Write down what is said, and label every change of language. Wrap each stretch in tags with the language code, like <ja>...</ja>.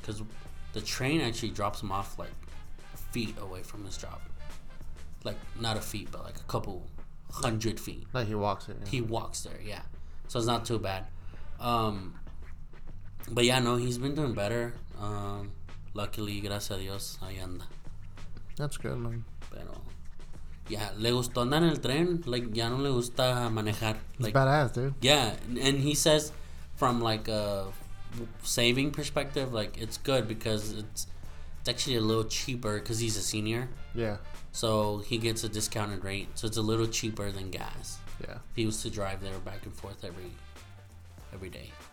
<en>Because the train actually drops him off, like, feet away from his job. Like, not a feet, but, like, a couple hundred feet. Like, he walks there. Yeah. He walks there, yeah. So it's not too bad. But, yeah, no, he's been doing better.</en> <es>Luckily, gracias a Dios, ahí anda.</es> <en>That's good, man.</en> <es>Pero, Yeah, le gustó andar en el tren. Like, ya no le gusta manejar.</es> <en>Like, he's badass, dude. Yeah, and he says from, like, a saving perspective, like, it's good because it's actually a little cheaper because he's a senior. Yeah. So he gets a discounted rate. So it's a little cheaper than gas. Yeah. If he was to drive there back and forth every day.</en>